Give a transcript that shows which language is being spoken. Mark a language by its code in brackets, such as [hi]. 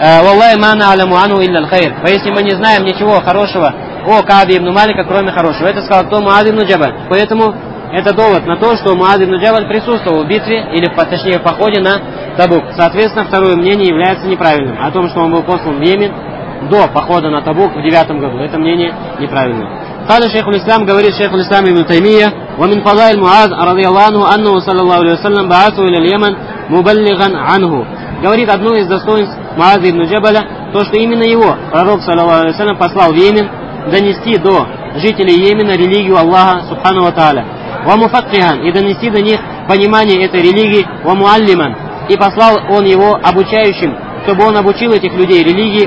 [ar] Валлай ма наъляму анху илля аль-хайр. [ru] Поистине мы не знаем ничего хорошего о Кааб ибн Малика, кроме хорошего. Это сказал кто? Муаз ибн Джабаль. Поэтому это довод на то, что Муаз ибн Джабаль присутствовал в битве, или точнее в походе на Табук. Соответственно, второе мнение является неправильным. О том, что он был послан в Йемен до похода на Табук в 9 году. Это мнение неправильное. [ar] Хада шейху ислам говорит шейху ислам ибн Таймия, وَمِنْ فَضَائِ الْمُعَاذِ رَضِيَ اللَّهُ عَنْهُ أَنَّهُ صَلَى اللَّهُ عَلَيْهِ وَسَلَّمْ بَعَثُ إِلَى الْيَمَنِ مُبَلِّغًا عَنْهُ. [ru] Говорит, одно из достоинств Муаза ибн Джабаля, то, что именно его пророк, саллаллаху алейхи ва саллям, послал в Йемен донести до жителей Йемена религию Аллаха, субхану ва тааля. [ar] وَمُفَقِّهًا. [ru] И донести до них понимание этой религии. [ar] وَمُعَلِّمًا. [ru] И послал он его обучающим, чтобы он обучил этих людей религии.